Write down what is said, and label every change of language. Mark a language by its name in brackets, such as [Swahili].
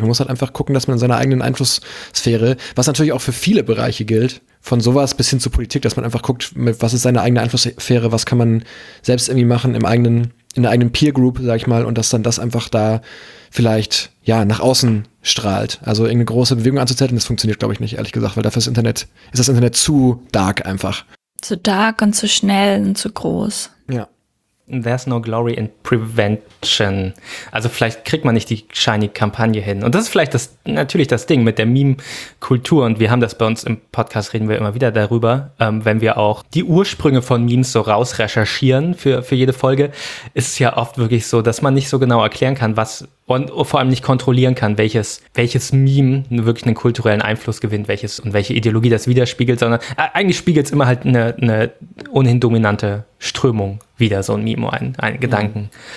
[German] Man muss halt einfach gucken, dass man in seiner eigenen Einflusssphäre, was natürlich auch für viele Bereiche gilt, von sowas bis hin zur Politik, dass man einfach guckt, was ist seine eigene Einflusssphäre, was kann man selbst irgendwie machen im eigenen, in der eigenen Peergroup, sag ich mal, und dass dann das einfach da vielleicht, ja, nach außen strahlt. Also irgendeine große Bewegung anzuzetteln, das funktioniert, glaube ich, nicht, ehrlich gesagt, weil dafür ist das Internet zu dark einfach. Zu dark und zu schnell und zu groß. Ja. [English] There's no glory in prevention. [German] Also vielleicht kriegt man nicht die shiny Kampagne hin. Und das ist vielleicht natürlich das Ding mit der Meme-Kultur. Und wir haben das bei uns im Podcast, reden wir immer wieder darüber, wenn wir auch die Ursprünge von Memes so rausrecherchieren für jede Folge, ist es ja oft wirklich so, dass man nicht so genau erklären kann, was, und vor allem nicht kontrollieren kann, welches Meme wirklich einen kulturellen Einfluss gewinnt, welches und welche Ideologie das widerspiegelt, sondern eigentlich spiegelt es immer halt eine ohnehin dominante Strömung wieder, so ein Meme, ein Gedanken.